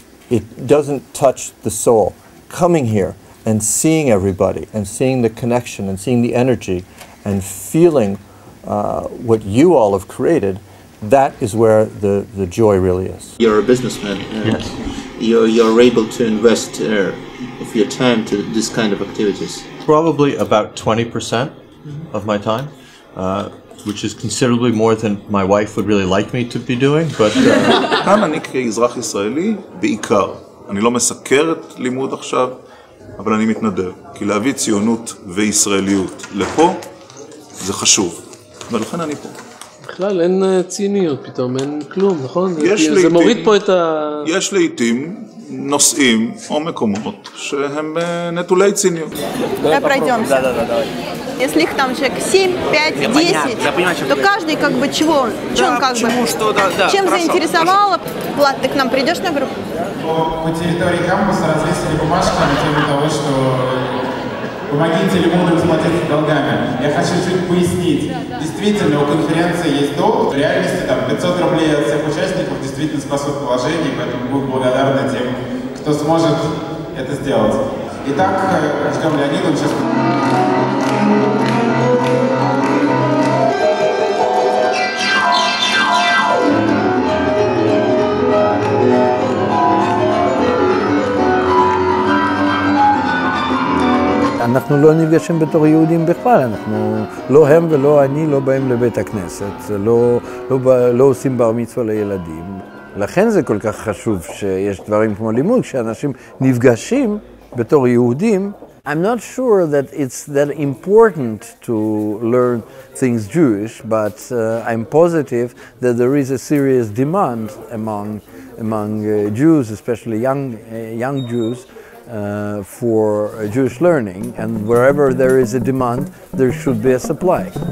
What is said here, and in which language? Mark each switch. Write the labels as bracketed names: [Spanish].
[English] It doesn't touch the soul. Coming here and seeing everybody and seeing the connection and seeing the energy and feeling what you all have created, that is where the joy really is. You're a businessman. Yes. You're able to invest of your time to this kind of activities? Probably about 20% of my time, which is considerably more than my wife would really like me to be doing, but... [Hebrew] כאן אני כאזרח ישראלי בעיקר. אני לא מסקר את לימוד עכשיו, אבל אני מתנדב. כי להביא ציונות וישראליות לפה, זה חשוב. ולכן אני פה. בכלל אין ציניות פתאום, אין כלום, נכון? יש לעתים, זה מוריד פה את ה... יש לעתים נושאים או מקומות שהם נטולי ציניות. [Russian] Давай пройдем. Да, да, да, давай. Если их там человек 7, 5, 10, то каждый как бы чего? Чем он как бы? Почему, что, да, да. Чем заинтересовало? Влад, ты к нам придешь на группу? По территории кампуса развесили бумажки на тему того, что помогите лимону расплатиться долгами. Я хочу чуть пояснить. Действительно, у конференции есть долг, в реальности там 500 рублей от всех участников действительно спасут положение, поэтому будем благодарны тем, кто сможет это сделать. Итак, ждем Леонида, он сейчас... [Hebrew] אנחנו לא נפגשים בתור יהודים בכלל, אנחנו לא הם ולא אני לא באים לבית הכנסת, לא עושים בר מצווה לילדים. לכן זה כל כך חשוב שיש דברים כמו לימוד, כשאנשים נפגשים בתור יהודים. [English] I'm not sure that it's that important to learn things Jewish, but I'm positive that there is a serious demand among Jews, especially young Jews, for Jewish learning, and wherever there is a demand, there should be a supply.